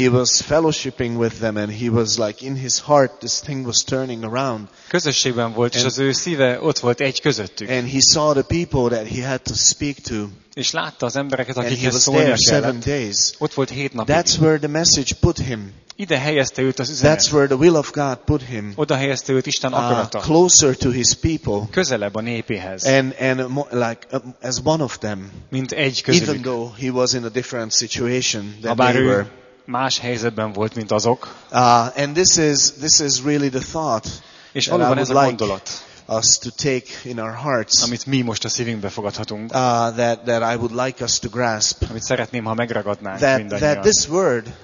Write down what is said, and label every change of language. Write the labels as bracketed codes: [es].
[en] He was fellowshipping with them, and he was like in his heart this thing was turning around. [hu] Közösségben volt, és az ő szíve ott volt egy közöttük. [en] And he saw the people that he had to speak to. [hu] És látta az embereket, akikhez szólni kellett. Ott volt 7 napig. [en] That's where the message put him. [hu] Ide helyezte őt az üzenet. [en] That's where the will of God put him. [hu] Oda helyezte őt Isten akarata. [en] Closer to his people. [hu] Közelebb a népéhez. [en] And like as one of them. [hu] Mint egy közülük. [en] Even though he was in a different situation than they were. [hu] Más helyzetben volt, mint azok. [en] And this is really the thought. [hu] És valóban ez a gondolat. [en] Us to take in our hearts, [hu] amit mi most a szívünkbe fogadhatunk, [en] that I would like us to grasp, [hu] amit szeretném, ha megragadnánk mindannyian, [en] that this word,